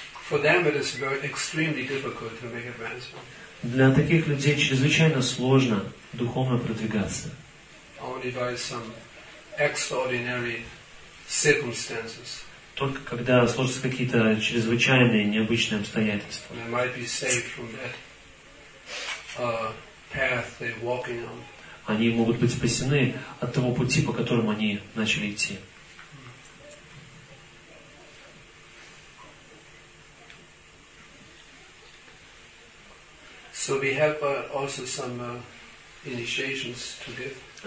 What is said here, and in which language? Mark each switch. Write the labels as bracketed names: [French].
[English] For them it is very extremely difficult to make advancement. [Russian] Для таких людей чрезвычайно сложно духовно продвигаться. [English] Only by some extraordinary circumstances. [Russian] Только когда сложатся какие-то чрезвычайные необычные обстоятельства. [English] They might be saved from that path they're walking on. [Russian] Они могут быть спасены от того пути, по которому они начали идти. [English] So we have also some initiations to give.